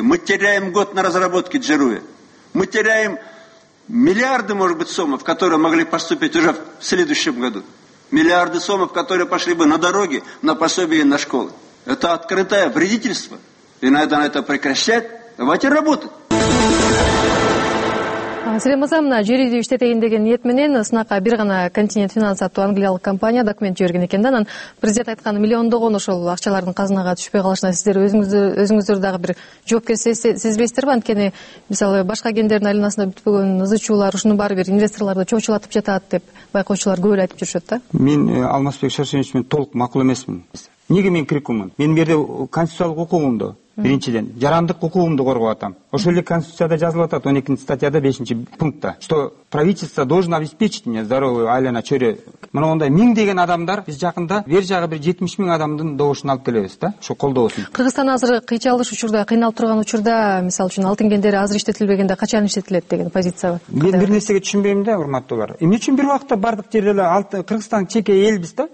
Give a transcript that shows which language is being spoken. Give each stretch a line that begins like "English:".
Russian: Мы теряем год на разработке джируя. Мы теряем миллиарды, может быть, сомов, которые могли поступить уже в следующем году. Миллиарды сомов, которые пошли бы на дороги, на пособия, на школы. Это открытое вредительство. И надо на это прекращать. Давайте работать.
Kyrgyz: Сере мырза, мына жер үйдү иштетейин деген ниет менен сынакка бир гана Континент Финанс аттуу англиялык компания документ жиберген экен да, анан президент айткан миллиондогон ошол акчалардын казынага түшпөй калышына сиздер өзүңүздөр дагы бир жоопкер сезбейсиздерби? Анткени мисалы башка кендердин айланасында бүтпөгөн ызы чуулар, ушунун баары бир инвесторлорду чоочулатып жатат деп байкоочулар көп эле айтып жүрүшөт да. Мен Алмазбек Шаршенович менен толук макул эмесмин. Неге мен крикумун? Менин жерде конституциялык укугумду, биринчиден жарандык укугумду коргоп атам. Ошол эле конституцияда жазылып атат 12-статьяда 5-пунктта, что правительство должно обеспечить мне здоровую айлана чөйрө. Мына мындай миңдеген адамдар, биз жакында бер жагы бир 70 000 адамдын добушун алып келебиз да, ошо колдообусун. Кыргызстан азыр кыйчалыш учурда, кыйналып турган учурда, мисалы үчүн алтын кендери азыр иштетилбегенде качан иштетилет деген позиция бар. Мен бир нерсеге түшүнбөйм да, урматтуулар. Эмне үчүн бир убакта бардык жерде эле Кыргызстан чеке элбиз да?